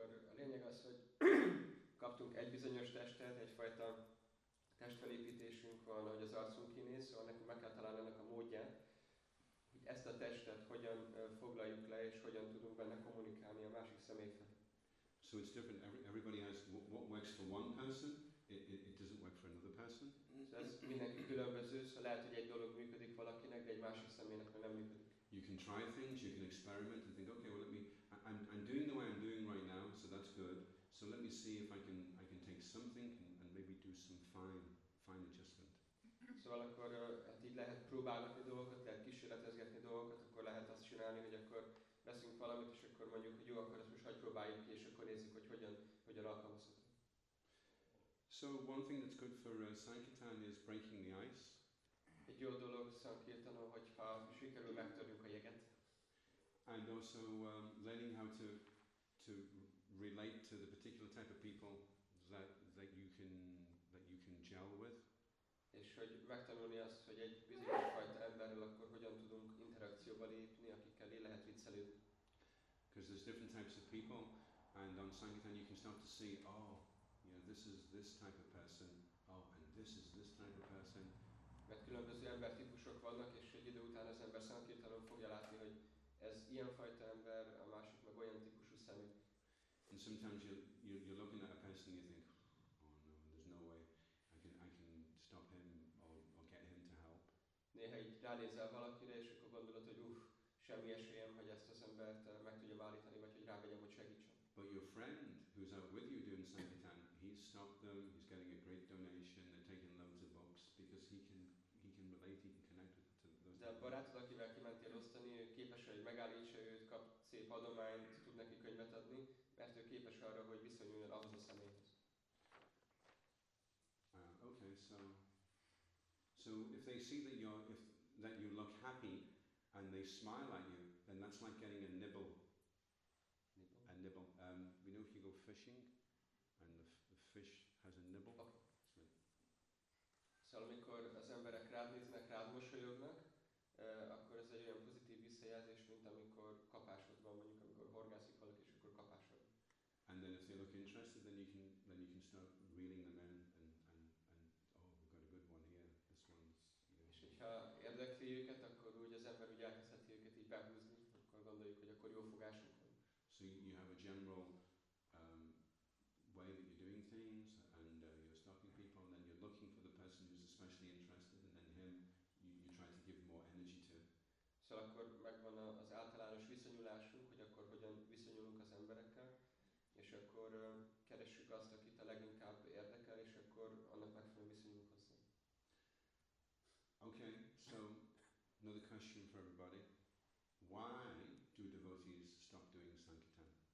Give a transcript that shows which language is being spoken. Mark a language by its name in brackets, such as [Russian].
[Hungarian] akkor a lényeg az, hogy kaptunk egy bizonyos testet, egyfajta testfelépítésünk van, ahogy az arcunk kinéz, szóval nekünk meg kell találni ennek a módját, hogy ezt a testet hogyan foglaljuk le, és hogyan tudunk benne kommunikálni a másik személyfel. [English] So it's different, everybody has what works for one person, it doesn't work for another person. [Hungarian] Ez mindenki különböző, szóval lehet, hogy egy dolog működik valakinek, de egy másik személynek nem működik. [English] You can try things, you can experiment and think, okay, well, I'm doing the way I'm doing right now, so that's good. So let me see if I can take something and maybe do some fine adjustment. [Hungarian] Szóval akkor hát így lehet próbálgatni dolgokat, lehet kísérletezgetni dolgokat, akkor lehet azt csinálni, hogy akkor veszünk valamit, és akkor mondjuk, hogy jó, akkor ezt most hagyd próbáljuk ki, és akkor nézzük, hogy hogyan alkalmazhatunk. [English] So one thing that's good for Sankirtan is breaking the ice. [Hungarian] Egy jó dolog Sankirtanon, hogyha sikerül megtörjük a jeget. [English] And also learning how to relate to the particular type of people that you can gel with. [Hungarian] És hogy megtanulni azt, hogy egy bizonyos fajta emberrel akkor hogyan tudunk interakcióba lépni, akikkel lehet viccelődni. [English] Because there's different types of people, and on Sankirtan you can start to see, oh, you know, this is this type of person, oh, and this type of person. [Hungarian] Mert különböző embertípusok vannak, és egy idő után az ember Sankirtanon fogja látni, hogy ez ilyen fajta ember, a másik meg olyan típusú személy. [English] And sometimes you're looking at a person and you think, oh no, there's no way I can stop him or get him to help. [Hungarian] Néha így ránézel valakire, és akkor gondolod, hogy semmi esélyem, hogy ezt az embert meg tudjam állítani, vagy hogy rávegyem, hogy segítsen. [English] But your friend who's out with you doing Sankirtan, he's stopped them, he's getting a great donation, they're taking loads of books because he can relate, he can connect with to those. [Hungarian] De a barátod, akivel kimentél osztani, képes, hogy megállítsa őt, kap szép adományt, tud neki könyvet adni, mert ő képes arra, hogy viszonyuljon ahhoz a személyhez. [English] Okay, so if they see that you look happy and they smile at you, then that's like getting a nibble. A nibble. We know if you go fishing and the fish has a nibble. Okay. [Hungarian] So amikor az emberek rád néznek, rád mosolyognak, akkor ez egy olyan pozitív visszajelzés, mint amikor kapásod van, mondjuk amikor horgászik valaki, és akkor kapásod. [English] And then if they look interested, then you can start reeling them in and oh, we've got a good one here, this one's, you know. [Hungarian] És hogyha érdekli őket, akkor úgy az ember úgy elkezdheti őket így behúzni, akkor gondoljuk, hogy akkor jó fogásunk. [English] So you have a general way that you're doing things, and you're stopping people, and then you're looking for the person who's especially interested, and then him, you try to give more energy to. [Hungarian] Szóval akkor megvan az általános viszonyulásunk, hogy akkor hogyan viszonyulunk az emberekkel, és akkor keressük azt, akit a leginkább érdekel, és akkor annak megfelelően viszonyulunk hozzá. [English] Okay, so another question for everybody. Why do devotees stop doing Sankirtan?